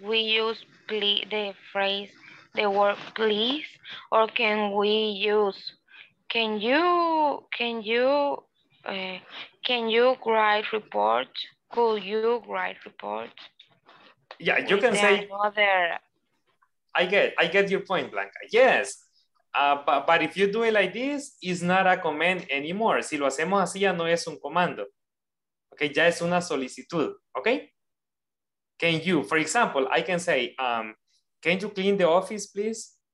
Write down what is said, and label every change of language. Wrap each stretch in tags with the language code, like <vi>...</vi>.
<en>We use please, the phrase the word please, or can we use, can you write report? Could you write report? Yeah, you can say, another... I get your point, Blanca. Yes, but if you do it like this, it's not a command anymore.</en> <es>Si lo hacemos así, ya no es un comando. Okay, ya es una solicitud, okay?</es> <en>Can you, for example, I can say, can you clean the office, please?</en>